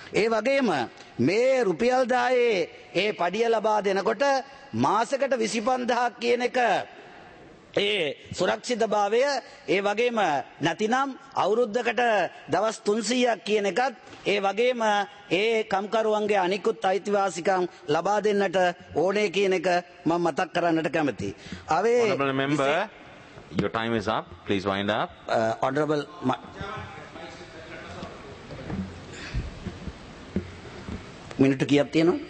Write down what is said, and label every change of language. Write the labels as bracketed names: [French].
[Sinhala] ඒ වගේම මේ රුපියල් 1000ේ ඒ පඩිය ලබා දෙනකොට මාසකට 25000ක් කියන එක ඒ සුරක්ෂිතභාවය, ඒ වගේම නැතිනම් අවුරුද්දකට දවස් 300ක් කියන එකත්, ඒ වගේම ඒ කම්කරුවන්ගේ අනිකුත් අයිතිවාසිකම් ලබා දෙන්නට ඕනේ කියන එක මම මතක් කරන්නට කැමතියි. [English] අවේ honorable member, your time is up, please wind up. [Sinhala] Honorable මිනිත්තු කීයක් තියෙනවද?